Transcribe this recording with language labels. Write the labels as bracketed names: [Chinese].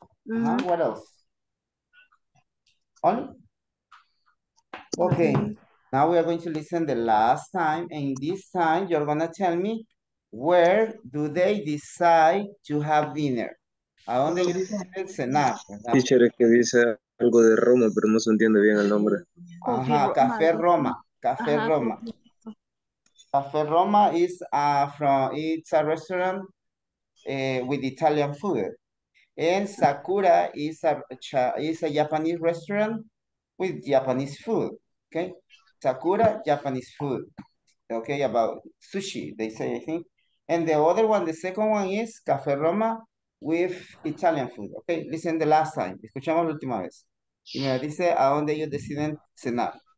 [English] Mm-hmm. What else? On? Okay. Mm-hmm. Now we are going to listen the last time. And this time you're going to tell me where do they decide to have dinner? [Spanish] ¿A dónde le dicen el cenar? Teacher, es que dice algo de Roma, pero no se entiende bien el nombre. Ajá, Café Roma. Café Ajá. Roma. [English] Café Roma is it's a restaurant with Italian food. And Sakura is a Japanese restaurant with Japanese food. Okay? Sakura, Japanese food. Okay, about sushi, they say, I think. And the other one, the second one is Café Roma with Italian food. Okay, listen the last time. [Spanish] Escuchamos la última vez. Y me dice a dónde ellos deciden cenar.